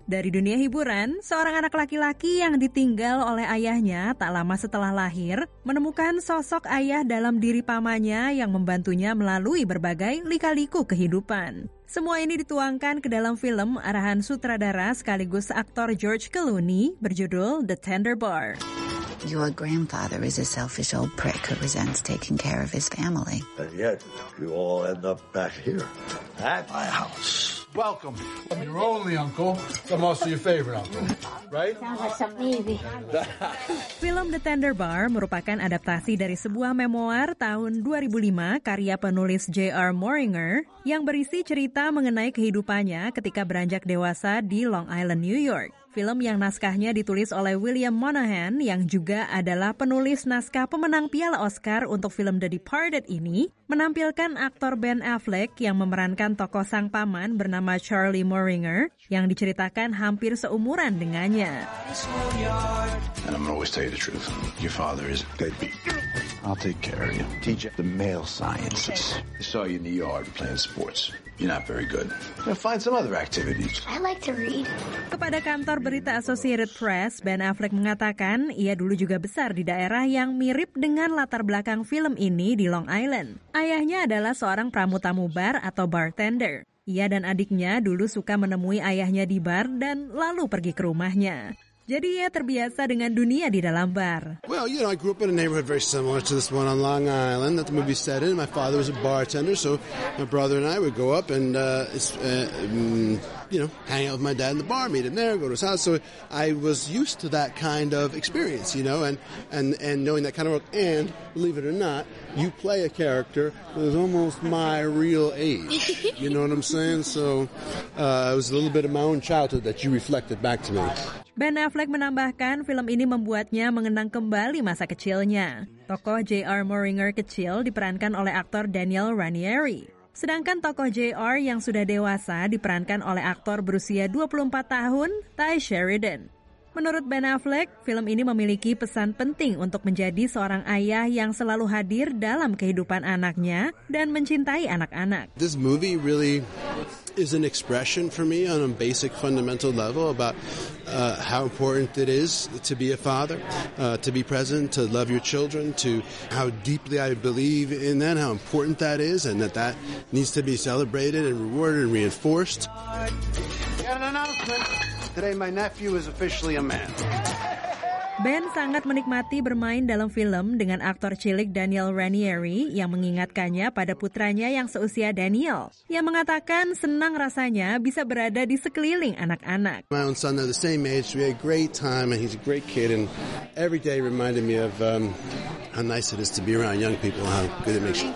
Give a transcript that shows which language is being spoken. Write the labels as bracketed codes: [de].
[id] Dari dunia hiburan, seorang anak laki-laki yang ditinggal oleh ayahnya tak lama setelah lahir, menemukan sosok ayah dalam diri pamannya yang membantunya melalui berbagai lika-liku kehidupan. Semua ini dituangkan ke dalam film arahan sutradara sekaligus aktor George Clooney berjudul The Tender Bar. [en] Your grandfather is a selfish old prick who resents taking care of his family. And yet, you all end up back here. At my house. Welcome. I'm your only uncle. I'm also your favorite uncle. Right? Sounds like some movie. [id] Film The Tender Bar merupakan adaptasi dari sebuah memoir tahun 2005 karya penulis J.R. Moringer yang berisi cerita mengenai kehidupannya ketika beranjak dewasa di Long Island, New York. Film yang naskahnya ditulis oleh William Monahan, yang juga adalah penulis naskah pemenang Piala Oscar untuk film The Departed ini, menampilkan aktor Ben Affleck yang memerankan tokoh sang paman bernama Charlie Moringer, yang diceritakan hampir seumuran dengannya. [en] And I'm gonna always tell you the truth. Your father is deadbeat. I'll take care of you. Teach you the male sciences. Okay. I saw you in the yard playing sports. You're not very good. Now find some other activities. I like to read. [id] Kepada kantor berita Associated Press, Ben Affleck mengatakan ia dulu juga besar di daerah yang mirip dengan latar belakang film ini di Long Island. Ayahnya adalah seorang pramutamu bar atau bartender. Ia dan adiknya dulu suka menemui ayahnya di bar dan lalu pergi ke rumahnya. Jadi ia terbiasa dengan dunia di dalam bar. [en] Well, you know, I grew up in a neighborhood very similar to this one on Long Island that the movie set in. My father was a bartender, so my brother and I would go up and hang out with my dad in the bar, meet him there, go to his house. So I was used to that kind of experience, you know, and knowing that kind of work. And believe it or not, you play a character that is almost my real age. You know what I'm saying? So it was a little bit of my own childhood that you reflected back to me. [id] Ben Affleck menambahkan film ini membuatnya mengenang kembali masa kecilnya. Tokoh J.R. Moringer kecil diperankan oleh aktor Daniel Ranieri. Sedangkan tokoh J.R. yang sudah dewasa diperankan oleh aktor berusia 24 tahun, Ty Sheridan. Menurut Ben Affleck, film ini memiliki pesan penting untuk menjadi seorang ayah yang selalu hadir dalam kehidupan anaknya dan mencintai anak-anak. [en] This movie really is an expression for me on a basic fundamental level about how important it is to be a father, to be present, to love your children, to how deeply I believe in that, how important that is, and that needs to be celebrated and rewarded and reinforced. We got an announcement. Today my nephew is officially a man. [id] Ben sangat menikmati bermain dalam film dengan aktor cilik Daniel Ranieri yang mengingatkannya pada putranya yang seusia Daniel. Ia mengatakan senang rasanya bisa berada di sekeliling anak-anak. [en] My own son, they're the same age. We had a great time and he's a great kid and every day reminded me of how nice it is to be around young people, how good it makes you.